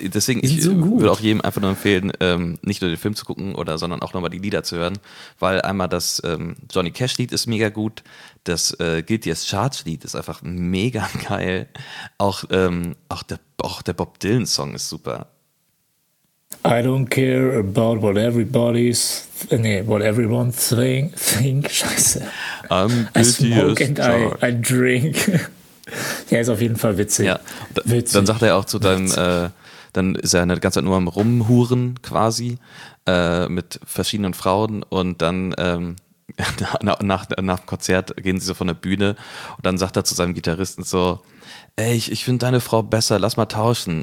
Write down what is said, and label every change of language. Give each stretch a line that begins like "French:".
German: Deswegen, ich so gut. Würde auch jedem einfach nur empfehlen, nicht nur den Film zu gucken, oder sondern auch nochmal die Lieder zu hören, weil einmal das Johnny Cash Lied ist mega gut, das Guilty as Charged Lied ist einfach mega geil, auch der Bob Dylan Song ist super.
English: I don't care about what everybody's, what everyone think, scheiße. I'm guilty as charged. I drink.
German: Der ist auf jeden Fall witzig. Ja, witzig. Dann sagt er auch zu deinem, dann ist er eine ganze Zeit nur am Rumhuren quasi mit verschiedenen Frauen und dann nach dem Konzert gehen sie so von der Bühne und dann sagt er zu seinem Gitarristen so, ey, ich finde deine Frau besser, lass mal tauschen.